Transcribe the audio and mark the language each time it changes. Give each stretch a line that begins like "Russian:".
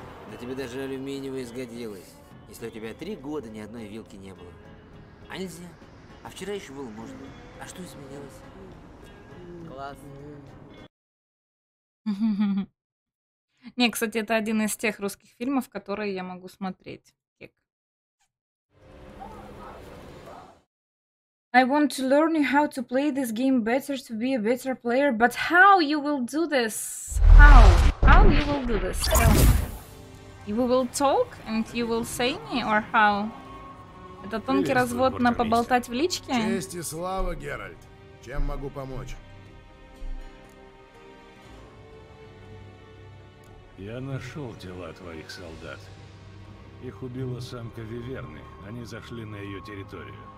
Russian: Да тебе даже алюминиевые сгодилось. Если у тебя 3 года ни одной вилки не было. А нельзя? А вчера еще было можно. А что изменилось? Классно. Не, кстати, это один из тех русских фильмов, которые я могу смотреть.
English: I want to learn how to play this game better to be a better player, but how you will do this? How? How you will do this? Tell me. You will talk and you will say me, or how?
Russian: Это тонкий развод на поболтать в личке? Честь и слава, Геральт. Чем могу помочь? Я нашел тела твоих солдат. Их убила самка Виверны. Они зашли на ее территорию.